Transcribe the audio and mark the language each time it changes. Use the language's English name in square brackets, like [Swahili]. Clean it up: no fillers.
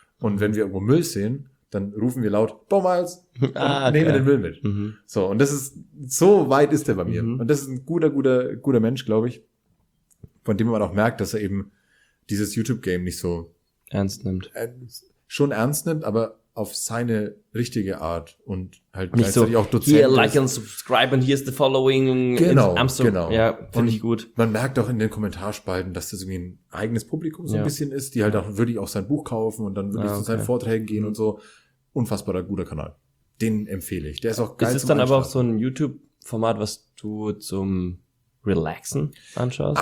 [German] Und wenn wir irgendwo Müll sehen, dann rufen wir laut, Bommals, nehmen den Müll mit. So, und das ist, so weit ist der bei mir. Und das ist ein guter Mensch, glaube ich, von dem man auch merkt, dass er eben dieses YouTube-Game nicht so ernst nimmt. Schon ernst nimmt, aber auf seine richtige Art und halt nicht gleichzeitig so, auch Dozent. [English] Hier, like and subscribe and here's the following. [German] Genau, in Amsterdam. Genau. Ja, finde ich gut. Man merkt auch in den Kommentarspalten, dass das irgendwie ein eigenes Publikum so ein bisschen ist, die halt auch wirklich auch sein Buch kaufen und dann wirklich zu seinen Vorträgen gehen und so. Unfassbarer guter Kanal. Den empfehle ich. Der ist auch geil. Ist es dann aber auch so ein YouTube-Format, was du zum Relaxen anschaust?